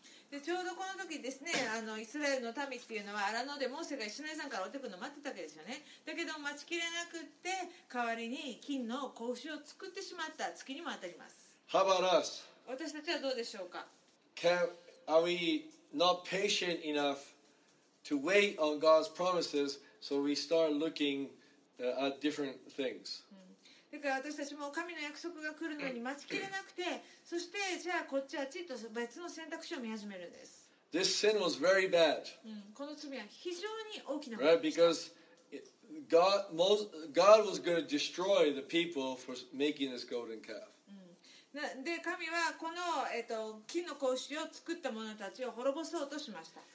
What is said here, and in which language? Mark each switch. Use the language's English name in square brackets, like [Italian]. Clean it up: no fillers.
[Japanese] でちょうどこの時ですね、イスラエルの民っていうのはアラノでモーセがシナイ山から降ってくるのを待ってたわけですよね。だけど待ちきれなくって代わりに金の子牛を作ってしまった月にも当たります。 [English] How about us? [Japanese] 私たちはどうでしょうか。 [English] Are we not patient enough to wait on God's promises? So we start looking at different things. [Japanese] だから私たちも神の約束が来るのに待ちきれなくて、そしてじゃあこっちあっちと別の選択肢を見始めるんです。 [English] This sin was very bad. [Japanese] この罪は非常に大きな。 [English] Right, because God was going to destroy the people for making this golden calf. [Japanese] で神はこの、金の子牛を作った者たちを滅ぼそうとしました。